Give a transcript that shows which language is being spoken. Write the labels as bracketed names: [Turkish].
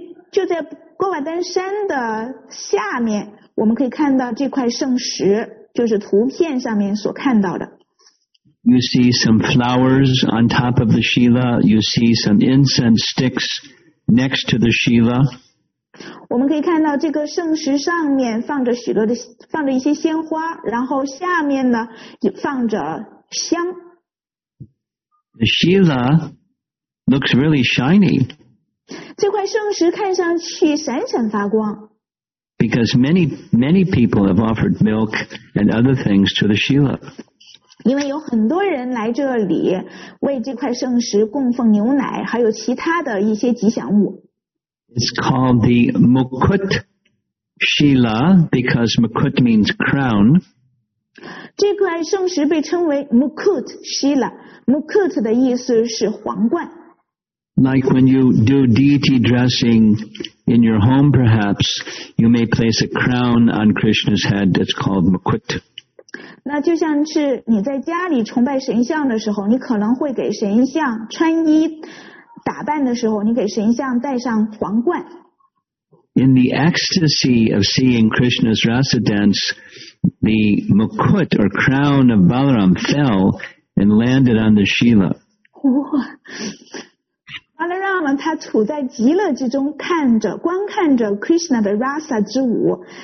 [Chinese] 就在郭瓦丹山的下面我们可以看到这块圣石就是图片上面所看到的。 [English] You see some flowers on top of the Shila. You see some incense sticks next to the Shila. [Chinese] 我们可以看到这个圣石上面放着许多的放着一些鲜花然后下面呢也放着香。 [English] The Shila looks really shiny. [Chinese] 这块圣石看上去闪闪发光。 [English] Because many, many people have offered milk and other things to the Shila. [Chinese] 因为有很多人来这里为这块圣石供奉牛奶还有其他的一些吉祥物。 [English] It's called the Mukut Shila because Mukut means crown. [Chinese] 这块圣石被称为 Mukut Shila. Mukut 的意思是皇冠。 [English] Like when you do deity dressing in your home, perhaps, you may place a crown on Krishna's head that's called Mukut. [Chinese] 那就像是你在家里崇拜神像的时候，你可能会给神像穿衣。打扮的时候，你给神像戴上皇冠。 [English] In the ecstasy of seeing Krishna's residence, the mukut or crown of Balaram fell and landed on the Shila. [Chinese] 哇 ，Balaram 他处在极乐之中，看着观看着 Krishna 的 rasa 之舞。